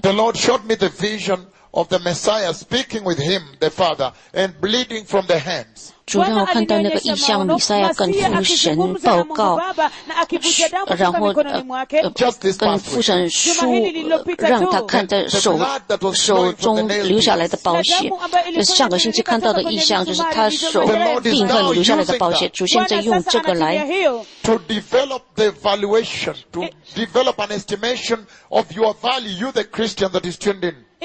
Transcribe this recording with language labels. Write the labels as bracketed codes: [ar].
[en] The Lord showed me the vision of the Messiah speaking with him, the Father, and bleeding from the hands. [zh] 主让我看到那个异象，弥赛亚跟父神报告，然后跟父神说，让他看到手中流下来的宝血。上个星期看到的异象就是他手病痛流下来的宝血，主现在用这个来 [en] to develop the valuation, to develop an estimation of your value, you the Christian that is tuned in.